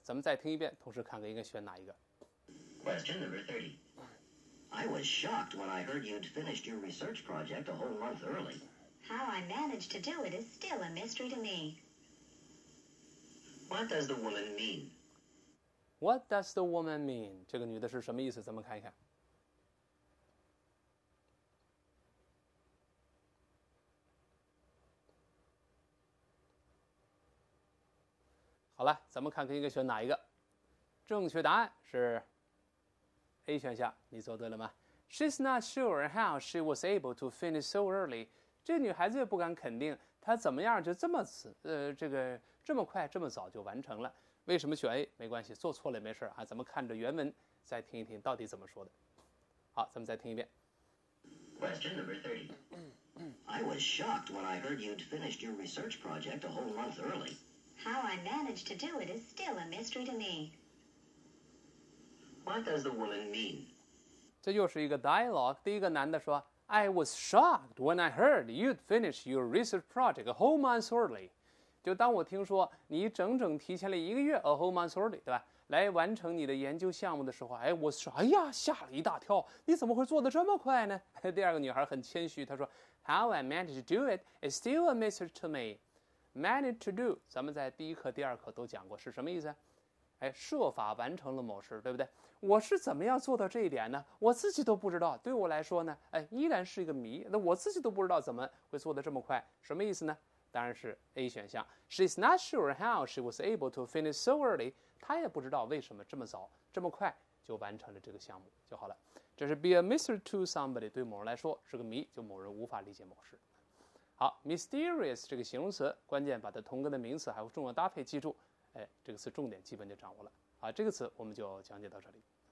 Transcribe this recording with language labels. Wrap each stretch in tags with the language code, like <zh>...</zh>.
<zh>咱们再听一遍，同时看看应该选哪一个。</zh> <en>Question number 30. I was shocked when I heard you'd finished your research project a whole month early. How I managed to do it is still a mystery to me. What does the woman mean? What does the woman mean?</en> <zh>这个女的是什么意思？咱们看一看。好了，咱们看看应该选哪一个。正确答案是 A 选项，你做对了吗？</zh> <en>She's not sure how she was able to finish so early.</en> <zh>这女孩子也不敢肯定她怎么样就这么迟，这么快这么早就完成了。为什么选 A？没关系，做错了也没事啊。咱们看着原文再听一听到底怎么说的。好，咱们再听一遍。</zh> <en>Question number 30. I was shocked when I heard you'd finished your research project a whole month early. How I managed to do it is still a mystery to me. What does the woman mean?</en> <zh>这又是一个 dialogue. 第一个男的说</zh> <en>I was shocked when I heard you'd finish your research project a whole month early.</en> <zh>就当我听说你整整提前了一个月</zh> <en>a whole month early,</en> <zh>对吧？来完成你的研究项目的时候，哎，我说，哎呀，吓了一大跳，你怎么会做得这么快呢？第二个女孩很谦虚，她说</zh> <en>How I managed to do it is still a mystery to me.</en> <zh>Manage to do， 咱们在第一课、第二课都讲过是什么意思？哎，设法完成了某事，对不对？我是怎么样做到这一点呢？我自己都不知道。对我来说呢，哎，依然是一个谜。那我自己都不知道怎么会做得这么快，什么意思呢？当然是 A 选项。</zh> <en>She's not sure how she was able to finish so early。</en> <zh>她也不知道为什么这么早、这么快就完成了这个项目就好了。这是</zh> <en>be a mystery to somebody，</en> <zh>对某人来说是个谜，就某人无法理解某事。好 ，mysterious 这个形容词，关键把它同根的名词还有重要搭配记住，哎，这个词重点基本就掌握了。好，这个词我们就讲解到这里。</zh>